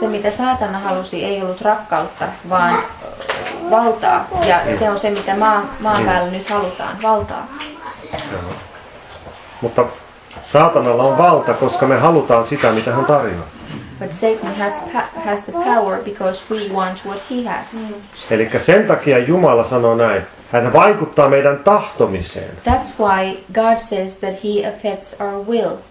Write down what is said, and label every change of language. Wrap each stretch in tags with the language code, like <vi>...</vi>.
<fi>Se mitä saatana halusi ei ollut rakkautta, vaan valtaa. Ja se on se mitä maan päällä nyt halutaan, valtaa. Joo. Mutta saatanalla on valta, koska me halutaan sitä mitä hän tarjoaa.</fi> <en>But Satan has the power because we want what he has.</en> <fi>Elikkä sen takia Jumala sanoo näin. Hän vaikuttaa meidän tahtomiseen.</fi> <en>That's why God says that he affects our will.</en>